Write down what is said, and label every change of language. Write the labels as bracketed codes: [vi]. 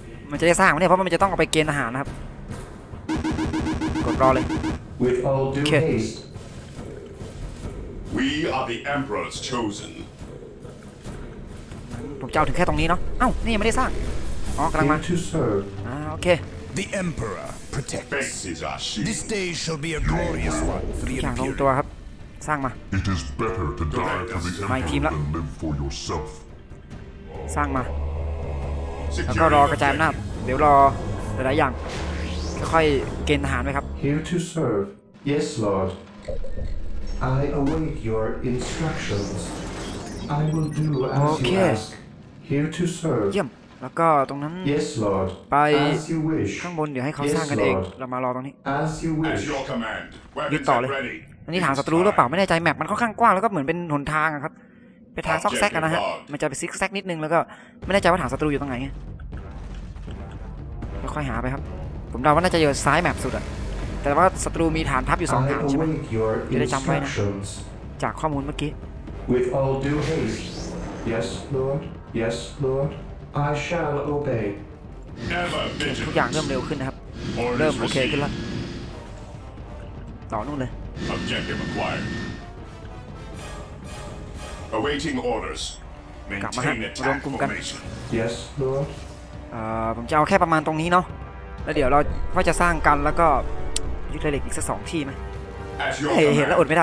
[th] มันจะได้สร้างเนี่ยเพราะมันจะต้องเอาไปเกณฑ์ทหารนะครับกดรอเลย [en] With all due haste. We are the Emperor's chosen. [th] ผมจะเอาถึงแค่ตรงนี้เนาะเอ้านี่ยังไม่ได้สร้างอ๋อกำลังมาโอเค [en] The Emperor protects. Faith is our shield. This day shall be a glorious one for the Empire. [th] ตรงตัวครับสร้างมา [en] It is better to die for the Empire than live for yourself. [th] สร้างมาแล้วก็รอกระจายอำนาจเดี๋ยวรอหลายอย่างค่อยเกณฑ์ทหารไหมครับ [en] Here to serve. Yes, Lord. I await your instructions. I will do as you ask. Here to serve. [th] เยี่ยมแล้วก็ตรงนั้น [en] Yes, Lord. [th] ไปข้างบนเดี๋ยวให้เขาสร้างกันเองเรามารอตรงนี้ [en] As you wish. As your command. [th] ยึดต่อเลยอันนี้ถามศัตรูหรือเปล่าไม่แน่ใจแมปมันค่อนข้างกว้างแล้วก็เหมือนเป็นหนทางครับไปทางซอกแซกกันนะฮะมันจะไปซิกแซกนิดนึงแล้วก็ไม่แน่ใจว่าถังศัตรูอยู่ตรงไหนก็ค่อยหาไปครับผมเดาว่าน่าจะอยู่ซ้ายแมปสุดอ่ะแต่ว่าศัตรูมีฐานทัพอยู่2ฐานใช่มั้ยจะได้จำไว้นะจากข้อมูลเมื่อกี้ [en] With all due haste Yes Lord Yes Lord I shall obey [th] ทุกอย่างเริ่มเร็วขึ้นนะครับเริ่มโอเคขึ้นแล้วต่อนู่นเลย [en] Objective acquiredawaiting orders maintain attack formation yes lord [th] ผมจะเอาแค่ประมาณตรงนี้เนาะแล้วเดี๋ยวเราก็จะสร้างกันแล้วก็ยึดเหล็กอีกสัก2ที่มั้ยเห็นแล้วอดไม่ได